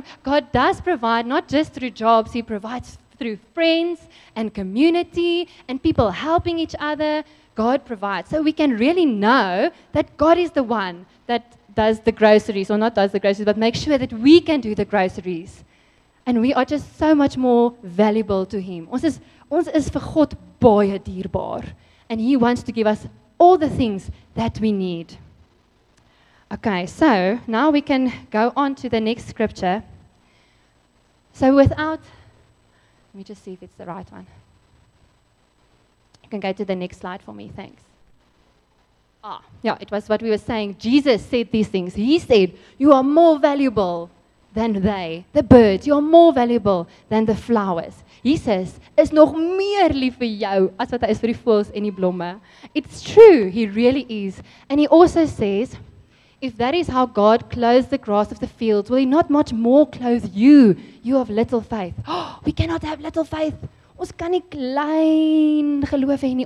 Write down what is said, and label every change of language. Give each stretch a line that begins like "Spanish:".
English: God does provide, not just through jobs. He provides through friends and community and people helping each other. God provides. So we can really know that God is the one that does the groceries, or not does the groceries, but make sure that we can do the groceries. And we are just so much more valuable to him.
Afrikaans: Ons is vir God baie dierbaar.
English: And he wants to give us all the things that we need. Okay, so now we can go on to the next scripture. So let me just see if it's the right one. You can go to the next slide for me, thanks. Yeah, it was what we were saying. Jesus said these things. He said, you are more valuable than they, the birds. You are more valuable than the flowers.
Afrikaans: Jesus is nog meer lief vir jou as wat hy is vir die voëls en die blomme.
English: It's true. He really is. And he also says, if that is how God clothes the grass of the fields, will he not much more clothe you, you of little faith? Oh, we cannot have little faith.
Afrikaans: Ons kan nie klein geloof hê nie.